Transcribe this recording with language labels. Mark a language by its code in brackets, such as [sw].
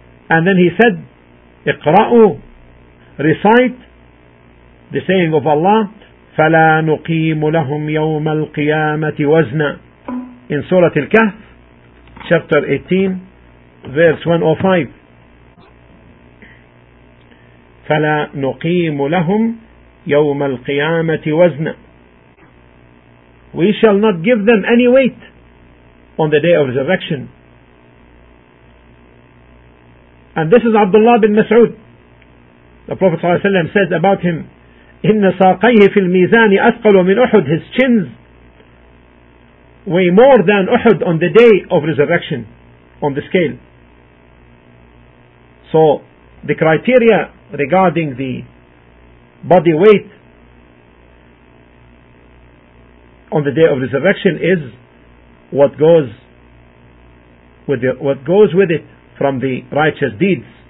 [en] And then he said, اقرأوا, recite the saying of Allah, [ar] فلا نقيم لهم يوم القيامة وزنا, [en] in Surah Al-Kahf, chapter 18, verse 105. [ar] فلا نقيم لهم يوم القيامة وزنا. [en] We shall not give them any weight on the day of resurrection. And this is Abdullah bin Mas'ud. The Prophet ﷺ says about him, [ar] إِنَّ سَاقَيْهِ فِي الْمِيزَانِ أَثْقَلُ مِنْ أُحُدْ. [en] His chins weigh more than Uhud on the day of resurrection, on the scale. So the criteria regarding the body weight on the day of resurrection is what goes with it from the righteous deeds.